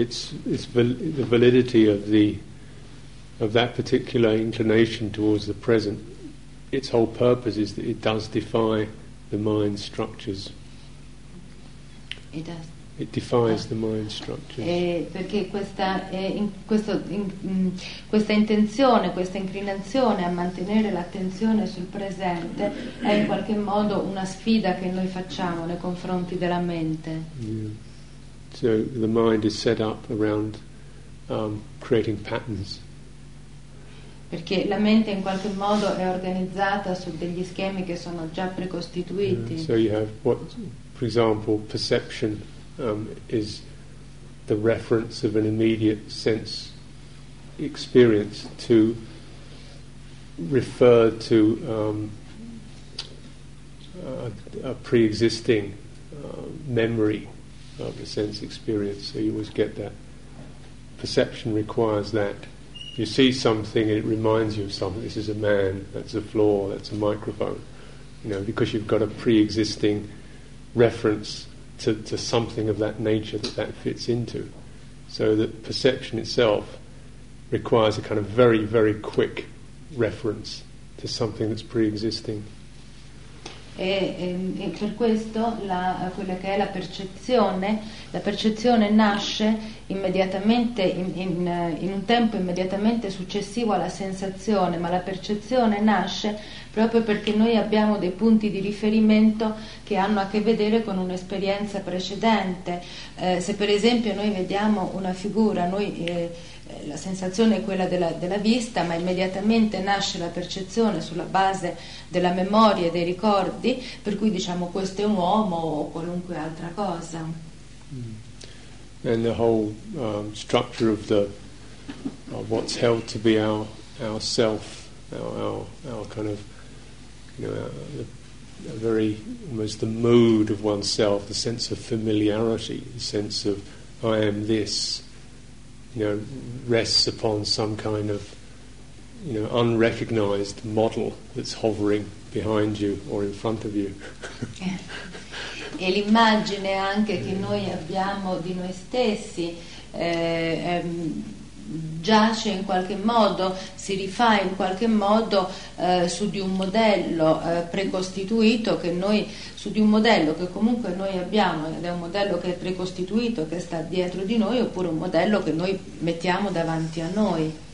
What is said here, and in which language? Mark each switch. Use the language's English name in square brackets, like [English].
[English] The validity of that particular inclination towards the present, its whole purpose is that it does defy the mind structures. [Italian] Perché questa intenzione, questa inclinazione a mantenere l'attenzione sul presente è in qualche modo una sfida che noi facciamo nei confronti della mente. Yeah. [English] So the mind is set up around creating patterns. [Italian] Perché la mente in qualche modo è organizzata su degli schemi che sono già precostituiti. Yeah. [English] So you have, what, for example, perception is the reference of an immediate sense experience to refer to a pre-existing memory of the sense experience. So you always get that. Perception requires that. You see something and it reminds you of something. This is a man, that's a floor, that's a microphone. You know, because you've got a pre-existing reference to something of that nature that fits into. So that perception itself requires a kind of very, very quick reference to something that's pre-existing. [Italian] e per questo quella che è la percezione nasce immediatamente in un tempo immediatamente successivo alla sensazione, ma la percezione nasce proprio perché noi abbiamo dei punti di riferimento che hanno a che vedere con un'esperienza precedente. Se per esempio noi vediamo una figura, la sensazione è quella della vista, ma immediatamente nasce la percezione sulla base della memoria e dei ricordi, per cui diciamo questo è un uomo o qualunque altra cosa. [English] And the whole structure of the of what's held to be our self, our kind of, a very almost the mood of oneself, the sense of familiarity, the sense of I am this, rests upon some kind of, unrecognized model that's hovering behind you or in front of you. [Italian] E l'immagine anche che noi abbiamo di noi stessi giace in qualche modo, si rifà in qualche modo su di un modello precostituito che noi, su di un modello che comunque noi abbiamo, ed è un modello che è precostituito, che sta dietro di noi, oppure un modello che noi mettiamo davanti a noi.